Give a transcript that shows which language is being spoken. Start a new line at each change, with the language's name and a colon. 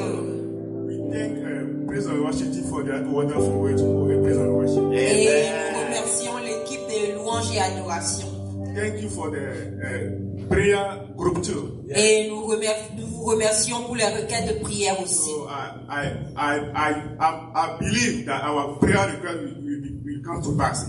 English: worship for their wonderful way to go and praise and worship. Amen.
French: Et nous remercions l'équipe de louange et adoration.
English: Thank you for the prayer group too.
French: Et nous vous remercions pour les requêtes de prière aussi.
English: So I believe that our prayer request will come to pass.